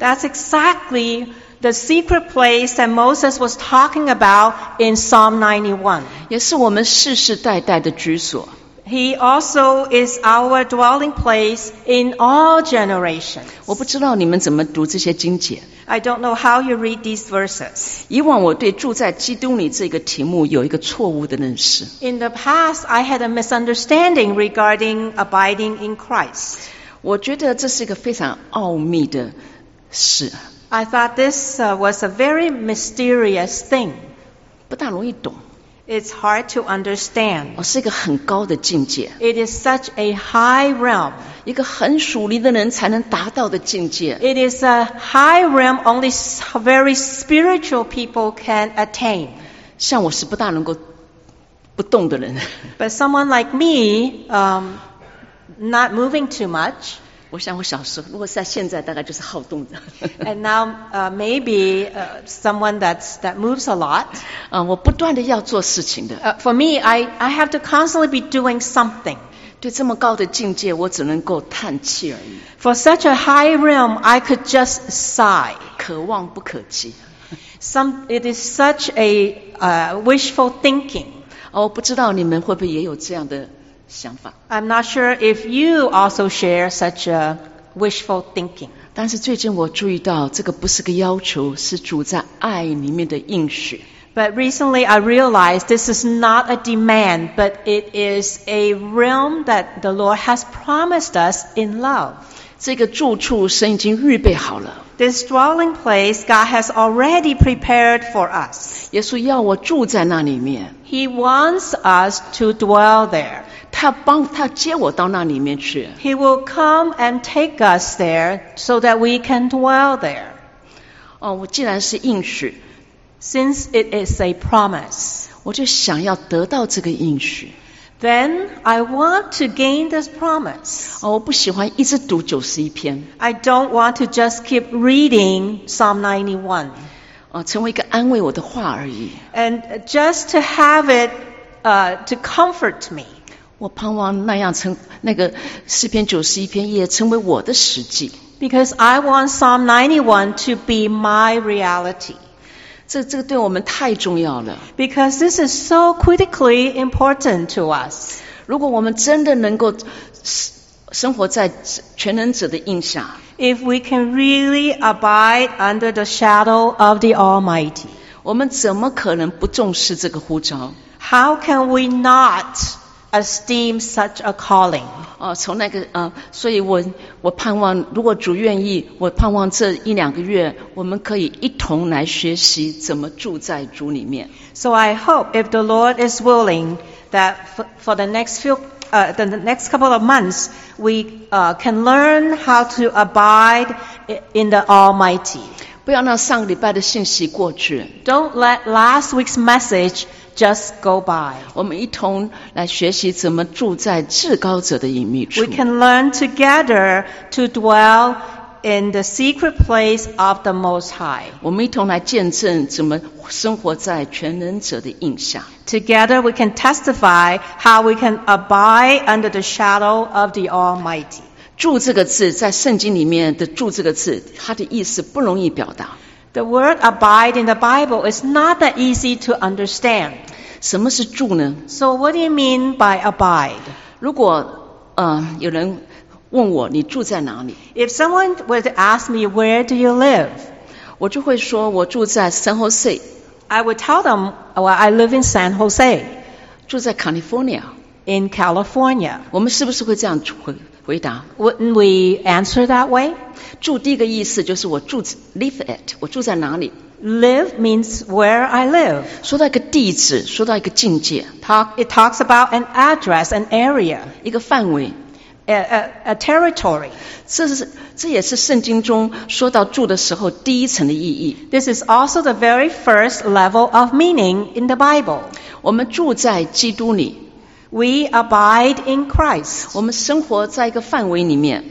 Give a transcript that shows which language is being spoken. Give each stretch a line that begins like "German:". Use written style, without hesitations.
English: That's exactly the secret place that Moses was talking about in Psalm 91.
Chinese: 也是我们世世代代的居所。
English: He also is our dwelling place in all generations.
Chinese: 我不知道你们怎么读这些经节。
English: I don't know how you read these verses.
Chinese: 以往我对住在基督里这个题目有一个错误的认识。
English: In the past, I had a misunderstanding regarding abiding in Christ.
Chinese: 我觉得这是一个非常奥秘的事。
English: I thought this was a very mysterious thing.
Chinese: 不大容易懂。
English: It's hard to understand.
Chinese: 是一个很高的境界。
English: It is such a high realm.
Chinese: 一个很属灵的人才能达到的境界。
English: It is a high realm only very spiritual people can attain.
Chinese: 像我是不大能够不动的人。
English: But someone like me, not moving too much.
Chinese: 我想我小时候，如果在现在，大概就是好动的。
English: And now, maybe someone that moves a lot.
Chinese: 我不断的要做事情的。
English: For me, I have to constantly be doing something.
Chinese: 对这么高的境界，我只能够叹气而已。
English: For such a high realm, I could just sigh.
Chinese: 可望不可及。
English: It is such a wishful thinking.
Chinese: 我不知道你们会不会也有这样的想法。
English: I'm not sure if you also share such a wishful thinking.
Chinese: 但是最近我注意到，这个不是个要求，是主在爱里面的应许。
English: But recently I realized this is not a demand, but it is a realm that the Lord has promised us in love.
Chinese: 这个住处神已经预备好了。
English: This dwelling place God has already prepared for us.
Chinese: 耶稣要我住在那里面。
English: He wants us to dwell there.
Chinese: 他接我到那里面去。
English: He will come and take us there so that we can dwell there.
Chinese: 哦，我既然是应许。
English: Since it is a promise,
Chinese: 我就想要得到这个应许。
English: Then I want to gain this promise.
Chinese: 哦，我不喜欢一直读九十一篇。
English: I don't want to just keep reading Psalm 91.
Chinese: 哦，成为一个安慰我的话而已。
English: And just to have it, to comfort me.
Chinese: 我盼望那样成那个诗篇九十一篇也成为我的实际。
English: Because I want Psalm 91 to be my reality.
Chinese: 这个对我们太重要了。
English: Because this is so critically important to us.
Chinese: 如果我们真的能够生活在全能者的荫下。
English: If we can really abide under the shadow of the Almighty.
Chinese: 我们怎么可能不重视这个呼召？
English: How can we not esteem such a calling?
Chinese: 哦，从那个所以我盼望，如果主愿意，我盼望这一两个月，我们可以一同来学习怎么住在主里面。
English: So I hope if the Lord is willing that for the next few, the next couple of months, we can learn how to abide in the Almighty.
Chinese: 不要让上个礼拜的信息过去。
English: Don't let last week's message. Just go by.
Chinese: 我们一同来学习怎么住在至高者的隐秘处。
English: We can learn together to dwell in the secret place of the Most High.
Chinese: 我们一同来见证怎么生活在全能者的荫下。
English: Together we can testify how we can abide under the shadow of the Almighty.
Chinese: 住这个字在圣经里面的住这个字，它的意思不容易表达。
English: The word abide in the Bible is not that easy to understand.
Chinese: 什么是住呢?
English: So what do you mean by abide?
Chinese: 如果有人问我你住在哪里?
English: If someone were to ask me where do you live?
Chinese: 我就会说我住在 San Jose.
English: I would tell them, well, I live in San Jose.
Chinese: 住在 California.
English: In California.
Chinese: 我们是不是会这样回答?
English: Wouldn't we answer that way?
Chinese: 住第一个意思就是我住
English: live at,
Chinese: 我住在哪里?
English: Live means where I live.
Chinese: 说到一个地址,说到一个境界。
English: It talks about an address, an area.
Chinese: 一个范围。
English: A territory.
Chinese: 这也是圣经中说到住的时候第一层的意义。
English: This is also the very first level of meaning in the Bible.
Chinese: 我们住在基督里。
English: We abide in Christ.
Chinese: 我们生活在一个范围里面。